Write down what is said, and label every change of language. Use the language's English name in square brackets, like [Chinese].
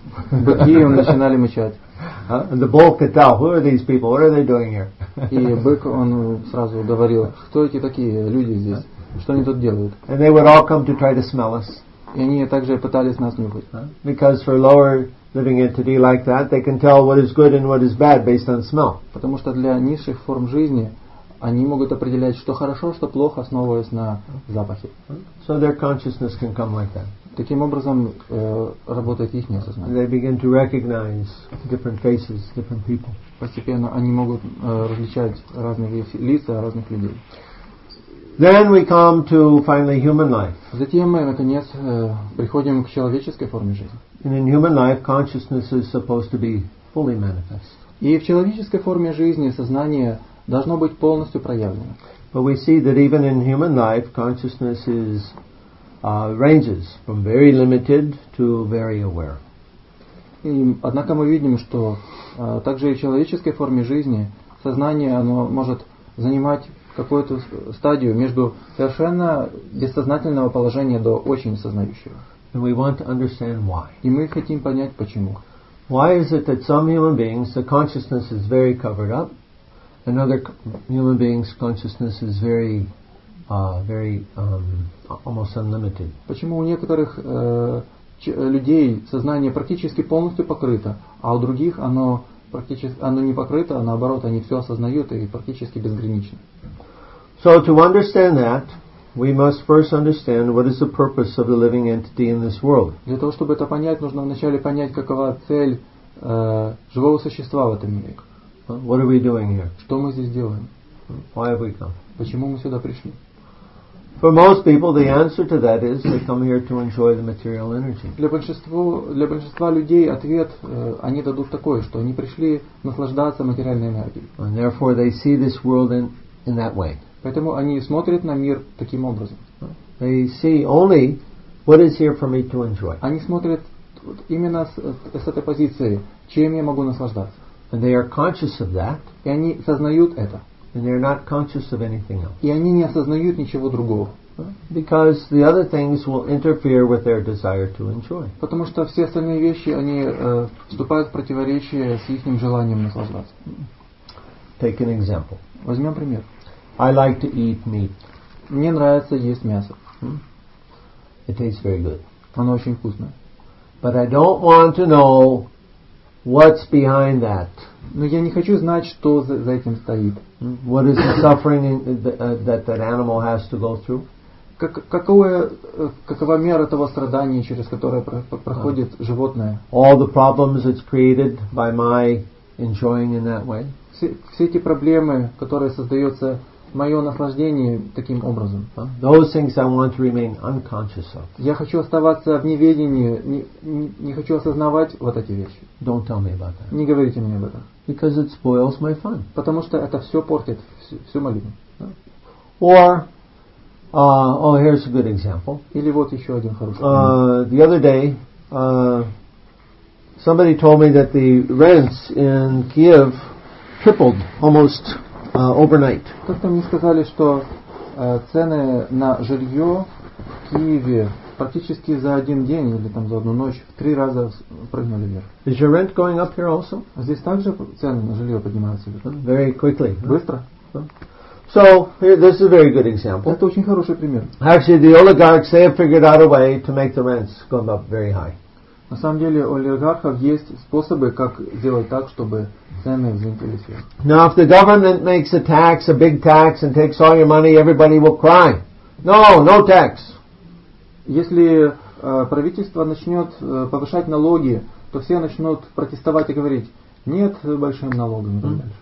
[Russian] Быки, он начинали мычать. [English] And the bull could tell, who are these people? What are they doing here? [Russian] И бык, он сразу говорил, кто эти такие люди здесь? Что они тут делают? [English] And they would all come to try to smell us. [Russian] И они также пытались нас нюхать. [English] Because for lower living entity like that, they can tell what is good and what is bad based on smell. [Russian] Потому что для низших форм жизни они могут определять, что хорошо, что плохо, основываясь на запахе. [English] So their consciousness can come like that. [Russian] Таким образом работает их сознание. [English] They begin to recognize different faces, different people. [Russian] Постепенно они могут различать разные лица разных людей. [English] Then we come to finally human life. [Russian] Затем мы наконец приходим к человеческой форме жизни. [English] And in human life, consciousness is supposed to be fully manifest. [Russian] И в человеческой форме жизни сознание должно быть полностью проявлено. [English] But we see that even in human life, consciousness is ranges from very limited to very aware. [Russian] И, однако мы видим, что также и в человеческой форме жизни сознание оно может занимать какую-то стадию между совершенно бессознательного положения до очень сознающего. [English] And we want to understand why. [Russian] И мы хотим понять почему. [English] Why is it that some human beings the consciousness is very covered up? Another human being's consciousness is very very almost unlimited. [Russian] Почему у некоторых людей сознание практически полностью покрыто, а у других оно практически оно не покрыто, а наоборот, они все осознают и практически безгранично. [English] So to understand that, we must first understand what is the purpose of the living entity in this world. [Russian] Для того чтобы это понять, нужно вначале понять, какова цель живого существа в этом мире. [English] What are we doing here? [Russian] Что мы здесь делаем? [English] Why have we come? [Russian] Почему мы сюда пришли? [English] For most people, the answer to that is they come here to enjoy the material energy. [Russian] Для большинства людей ответ они дадут такой, что они пришли наслаждаться материальной энергией. [English] And therefore, they see this world in that way. [Russian] Поэтому они смотрят на мир таким образом. [English] They see only what is here for me to enjoy. [Russian] Они смотрят именно с этой позиции, чем я могу наслаждаться. [English] And they are conscious of that. [Russian] И они сознают это. [English] And they are not conscious of anything else. [Russian] И они не осознают ничего другого. [English] Because the other things will interfere with their desire to enjoy. [Russian] Потому что все остальные вещи они вступают в противоречие с их желанием наслаждаться. [English] Take an example. [Russian] Возьмем пример. [English] I like to eat meat. [Russian] Мне нравится есть мясо. [English] It tastes very good. [Russian] Оно очень вкусное. [English] But I don't want to know what's behind that. [Russian] Но я не хочу знать, что за этим стоит. [English] What is the suffering that animal has to go through? [Russian] Какова мера того страдания, через которое проходит животное? [English] All the problems it's created by my enjoying in that way. [Russian] Все эти проблемы, которые создаются мое наслаждение таким образом. [English] Those things I want to remain unconscious of. [Russian] Я хочу оставаться в неведении, не хочу осознавать вот эти вещи. [English] Don't tell me about that. [Russian] Не говорите мне об этом. [English] Because it spoils my fun. [Russian] Потому что это все портит всю молитву. [English] Or, here's a good example. [Russian] Или вот еще один хороший пример. [English] The other day, somebody told me that the rents in Kiev tripled almost. Overnight. [Russian] Как-то мне сказали, что цены на жилье в Киеве практически за один день или там за одну ночь в три раза прыгнули вверх. [English] Is your rent going up here also? [Russian] Здесь также цены на жилье поднимаются вверх. [English] Very quickly. [Russian] Быстро. [English] So this is a very good example. [Russian] Это очень хороший пример. [English] Actually, the oligarchs they have figured out a way to make the rents go up very high. [Russian] На самом деле, у олигархов есть способы, как сделать так, чтобы [English] Now, if the government makes a tax, a big tax, and takes all your money, everybody will cry. No tax. [Russian] Если правительство начнет повышать налоги, то все начнут протестовать и говорить: нет большим налогам.